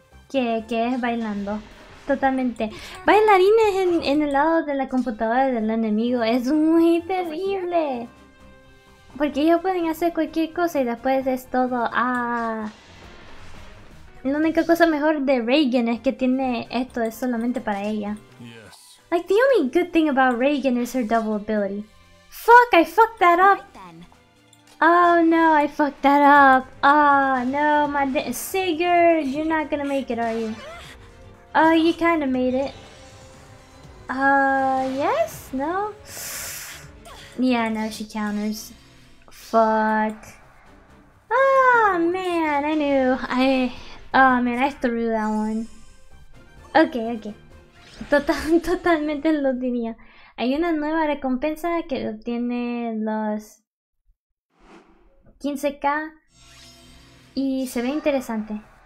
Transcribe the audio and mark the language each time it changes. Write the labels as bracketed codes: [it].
[es] Que es bailando. Totalmente. Bailarines en el lado de la computadora del enemigo es muy terrible. Porque ellos pueden hacer cualquier cosa y después es todo La única cosa mejor de Reagan es que tiene esto, es solamente para ella. [en] Yes. Like, the only good thing about Reagan is her double ability. Fuck, I fucked that up! Oh no, I fucked that up. Oh no, my Sigurd, you're not gonna make it, are you? Oh, you kinda made it. Yes? No? Yeah, no, she counters. Fuck. Oh man, Oh man, I threw that one. [es] Okay. Totalmente lo diría. Hay una nueva recompensa que obtiene los 15k y se ve interesante.